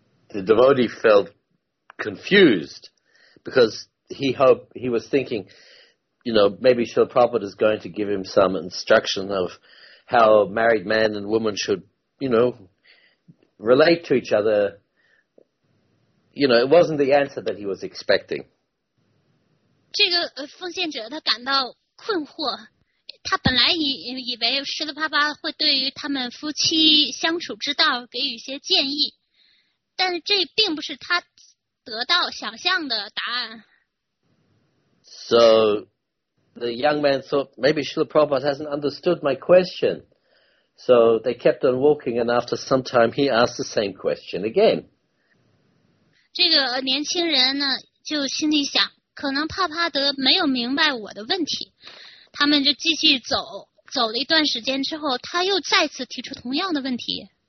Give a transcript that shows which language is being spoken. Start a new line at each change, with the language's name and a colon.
English: The devotee felt confused because he hoped, he was thinking, you know, maybe Srila Prabhupada is going to give him some instruction of how a married man and woman should, you know, relate to each other. You know, it wasn't the answer that he was expecting.
Chinese: 这个奉献者他感到困惑，他本来以为施德帕巴会对于他们夫妻相处之道给予一些建议，但这并不是他得到想象的答案。
English: So the young man thought maybe Srila Prabhupada hasn't understood my question. So they kept on walking, and after some time he asked the same question again.
Chinese: 这个年轻人呢就心里想，可能帕帕德没有明白我的问题。他们就继续走，走了一段时间之后，他又再次提出同样的问题。